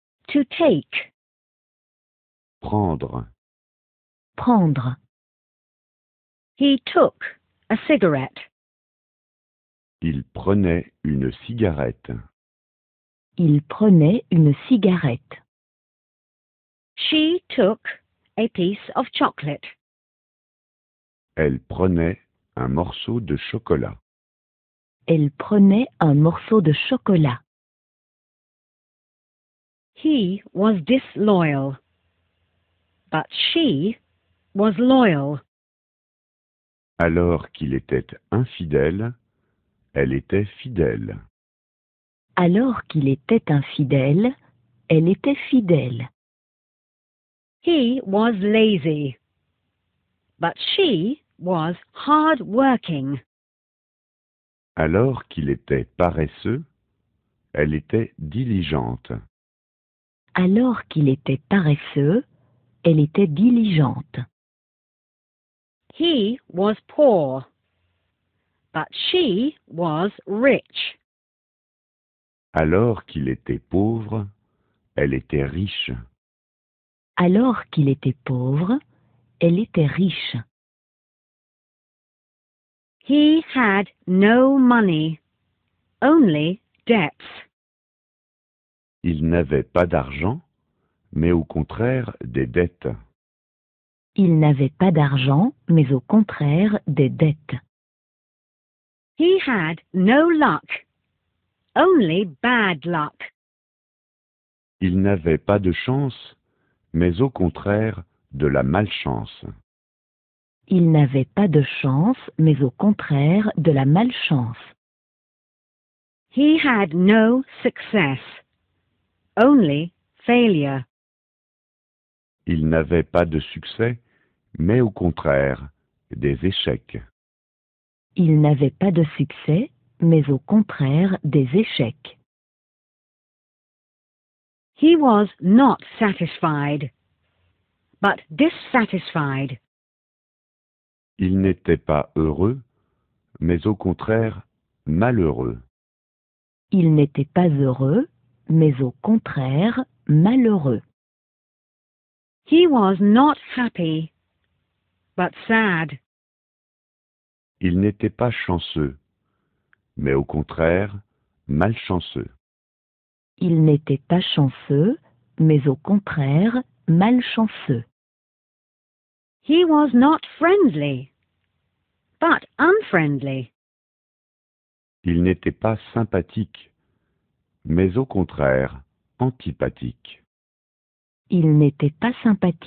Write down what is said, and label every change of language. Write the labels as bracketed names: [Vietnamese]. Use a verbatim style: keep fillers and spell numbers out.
[English] To take, [French] Prendre, [English] prendre. He took a cigarette. [French] il prenait une cigarette. Il prenait une cigarette. [English] She took a piece of chocolate. [French] Elle prenait un morceau de chocolat. Elle prenait un morceau de chocolat. [English] He was disloyal, but she was loyal. [French] Alors qu'il était infidèle, elle était fidèle. Alors qu'il était infidèle, elle était fidèle. [English] He was lazy, but she was hard working. [French] Alors qu'il était paresseux, elle était diligente. Alors qu'il était paresseux, elle était diligente. [English] He was poor, but she was rich. [French] Alors qu'il était pauvre, elle était riche. Alors qu'il était pauvre, elle était riche. [English] He had no money, only debts. [French] Il n'avait pas d'argent, mais au contraire des dettes. Il n'avait pas d'argent, mais au contraire des dettes. [English] He had no luck, only bad luck. [French] Il n'avait pas de chance, mais au contraire de la malchance. Il n'avait pas de chance, mais au contraire de la malchance. [English] He had no success, only failure. [French] Il n'avait pas de succès, mais au contraire des échecs. Il n'avait pas de succès, mais au contraire des échecs. [English] He was not satisfied, but dissatisfied. [French] Il n'était pas heureux, mais au contraire malheureux. Il n'était pas heureux, mais au contraire malheureux. [English] He was not happy, but sad. [French] Il n'était pas chanceux, mais au contraire malchanceux. Il n'était pas chanceux, mais au contraire malchanceux. [English] He was not friendly, but unfriendly. [French] Il n'était pas sympathique, mais au contraire antipathique. Il n'était pas sympathique.